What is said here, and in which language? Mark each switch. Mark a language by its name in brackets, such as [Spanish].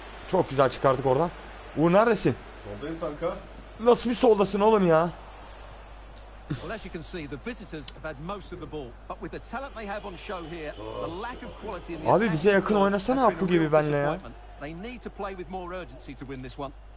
[Turkish] Çok güzel çıkardık oradan. Uğur neredesin? Soldayım kanka. Nasıl bir soldasın oğlum ya? [English] Well, as you can see, the visitors have had most of the ball, but with the talent they have on show here, the lack of quality in the [Turkish] attack. Abi bize yakın oynasana Apu gibi benle ya. [English] They need to play with more urgency to win this one.